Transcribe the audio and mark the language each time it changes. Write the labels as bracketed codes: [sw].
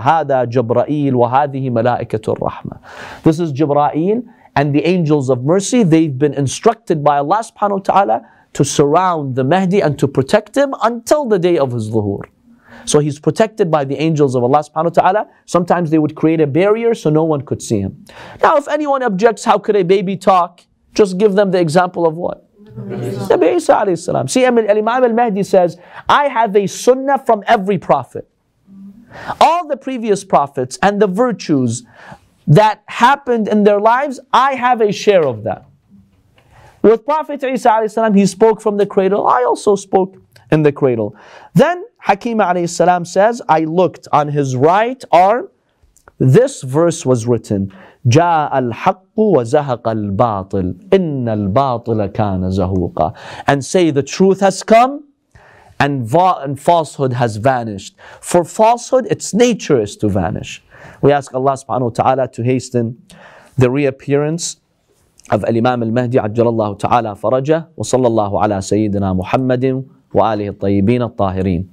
[ar] هذا جبرائيل وهذه ملائكة الرحمة. [en] This is Jibra'il and the angels of mercy. They've been instructed by Allah subhanahu wa ta'ala to surround the Mahdi and to protect him until the day of his zuhur. So he's protected by the angels of Allah subhanahu wa ta'ala. Sometimes they would create a barrier so no one could see him. Now if anyone objects, how could a baby talk? Just give them the example of what? Nabi Isa alayhi salam. See, Imam al-Mahdi says, I have a sunnah from every prophet. All the previous prophets and the virtues that happened in their lives, I have a share of that. With Prophet Isa alayhi salam, he spoke from the cradle. I also spoke in the cradle. Then Hakima alayhi salam says, I looked on his right arm. This verse was written. [ar] جاء الحق وزهق الباطل إن الباطل كان زهوقا. [en] And say, the truth has come and falsehood has vanished. For falsehood, its nature is to vanish. We ask Allah subhanahu wa ta'ala to hasten the reappearance of Al-Imam Al-Mahdi [ar] عجلالله تعالى فرجه وصلى الله على سيدنا محمد وآله الطيبين الطاهرين.